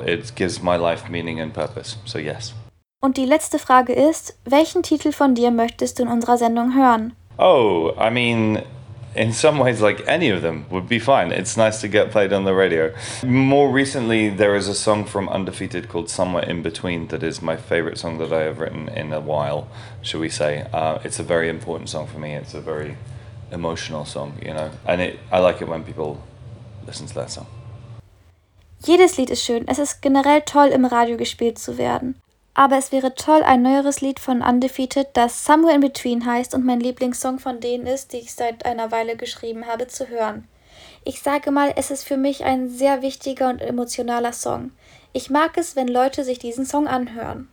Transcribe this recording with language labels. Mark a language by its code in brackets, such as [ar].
[en] It gives my life meaning and purpose. So yes. [de] Und die letzte Frage ist, welchen Titel von dir möchtest du in unserer Sendung hören? [en] Oh, I mean, in some ways, like any of them would be fine. It's nice to get played on the radio. More recently, there is a song from Undefeated called Somewhere in Between that is my favorite song that I have written in a while, shall we say. It's a very important song for me. It's a very emotional song, you know. And I like it when people listen to that song. [de] Jedes Lied ist schön. Es ist generell toll, im Radio gespielt zu werden. Aber es wäre toll, ein neueres Lied von Undefeated, das Somewhere in Between heißt und mein Lieblingssong von denen ist, die ich seit einer Weile geschrieben habe, zu hören. Ich sage mal, es ist für mich ein sehr wichtiger und emotionaler Song. Ich mag es, wenn Leute sich diesen Song anhören.